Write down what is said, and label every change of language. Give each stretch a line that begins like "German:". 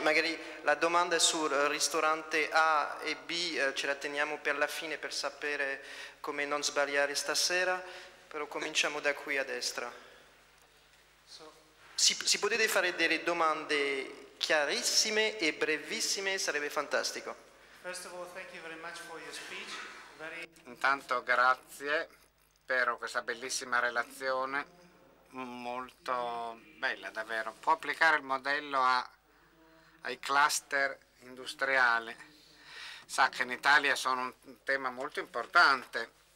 Italian: Magari la domanda sul ristorante A e B ce la teniamo per la fine per sapere come non sbagliare stasera, però cominciamo da qui a destra. Si potete fare delle domande chiarissime e brevissime, sarebbe fantastico.
English: First of all, thank you very much for your speech.
Italian: Intanto grazie per questa bellissima relazione, molto bella davvero. Può applicare il modello ai cluster industriali? Sa che in Italia sono un tema molto importante.